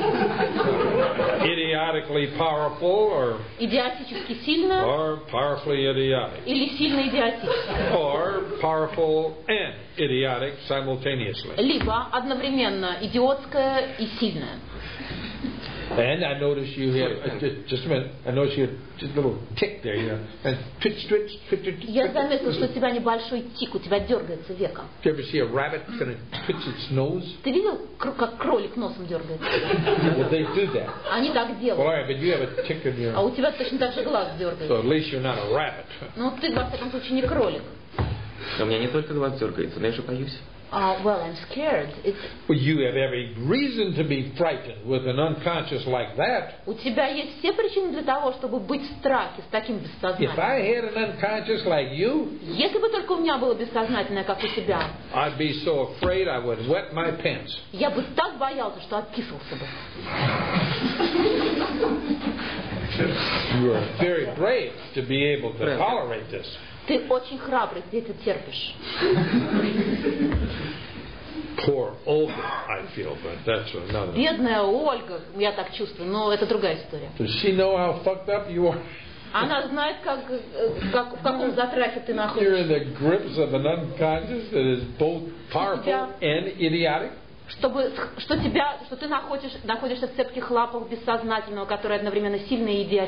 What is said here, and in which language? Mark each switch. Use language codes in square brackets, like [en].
[en] Idiotically powerful or [ru] идиотически сильно. [en] Or powerfully idiotic. [ru] Или сильно идиотически. [en] Or powerful and idiotic simultaneously. [ru] Либо одновременно идиотское и сильное. [en] And I noticed you had just a minute. I noticed you had just a little tick there, you know, and twitch. [ru] Я заметил, что у тебя небольшой тик, у тебя дергается веко. [en] Did you ever see a rabbit kind of twitch its nose? [ru] Ты видел, как кролик носом дергается? [en] Well, they do that. [ru] Они так делают. [en] Well, all right, but you have a tick in your. [ru] А у тебя точно так же глаз дергается. [en] So at least you're not a rabbit. [ru] Ну, ты во всяком случае не кролик. У меня не только глаз дергается, но я же боюсь. [en] Well, I'm scared. It's. Well, you have every reason to be frightened with an unconscious like that. [ru] У тебя есть все причины для того, чтобы быть в страхе с таким бессознательным. [en] If I had an unconscious like you. [ru] Если бы только у меня было бессознательное, как у тебя. [en] I'd be so afraid I would wet my pants. [ru] Я бы так боялся, что обкисался бы. [en] You are very brave to be able to tolerate this. [ru] Ты очень храбрый, ты это терпишь. [en] Poor Olga, I feel, but that's another. [ru] Бедная Ольга, я так чувствую, но это другая история. [en] Does she know how fucked up you are? [ru] Она знает, как в каком затрахе ты находишься. [en] You're in the grips of an unconscious that is both powerful and idiotic. [ru] Что ты находишься в цепких лапах бессознательного, которое одновременно сильное и